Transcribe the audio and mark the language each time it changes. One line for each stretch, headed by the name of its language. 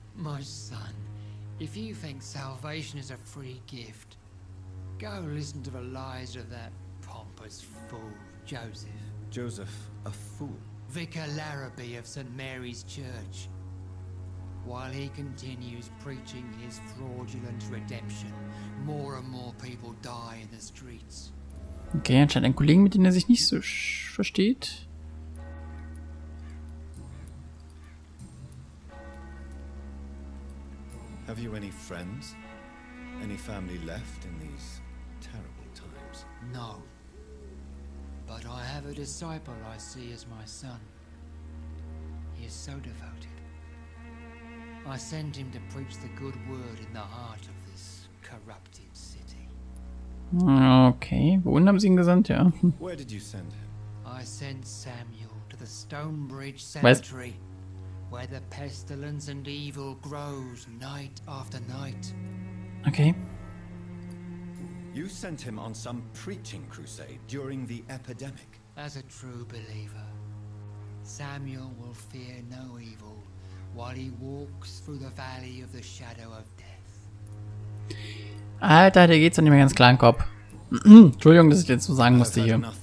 English: My son, if you think salvation is a free gift, go listen to the lies of that pompous fool, Joseph. Joseph, a fool? Vicar Larrabee of St. Mary's Church. While he continues preaching his fraudulent redemption, more and more people die in the streets.
German: Okay, anscheinend ein Kollegen, mit dem er sich nicht so versteht.
English: Have you any friends? Any family left in these terrible times? No. But I have a disciple I see as my son. He is so devoted. I send him to preach the good word in the heart of this corrupted city.
German: Okay, wohin haben sie ihn gesandt, ja?
English: Where did you send him? I sent Samuel to the Stonebridge Cemetery, where the pestilence and evil grows night after night. Okay. You sent him on some preaching crusade during the epidemic. As a true believer, Samuel will fear no evil. While he walks through the valley of the shadow of death.
German: Alter, der geht's doch nicht mehr ganz klar im Kopf. Entschuldigung, dass ich jetzt so sagen musste hier.